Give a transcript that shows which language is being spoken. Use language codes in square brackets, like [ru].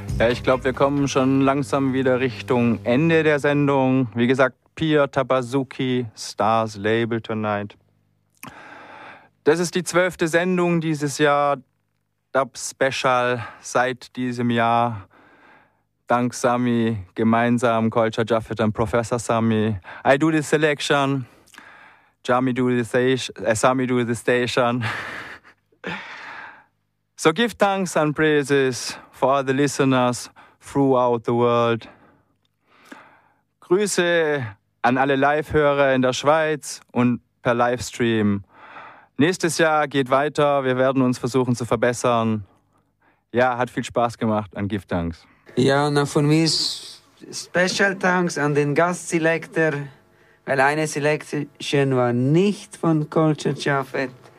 [de] Ich glaube, wir kommen schon langsam wieder Richtung Ende der Sendung. Wie gesagt, Pia Tabazuki, Stars Label Tonight. Das ist die 12. Sendung dieses Jahr, Dub Special seit diesem Jahr. Dank Sami, gemeinsam Culture Jaffet und Professor Sami. [en] I do the selection, Jami do the station, Sami do the station. So give thanks and praises for the listeners throughout the world. [de] Grüße an alle Live-Hörer in der Schweiz und per Livestream. Nächstes Jahr geht weiter. Wir werden uns versuchen zu verbessern. Ja, hat viel Spaß gemacht an Give Thanks. Ja, und von mir Special Thanks an den Gastselector, weil eine Selection war nicht von Culture Jaffet.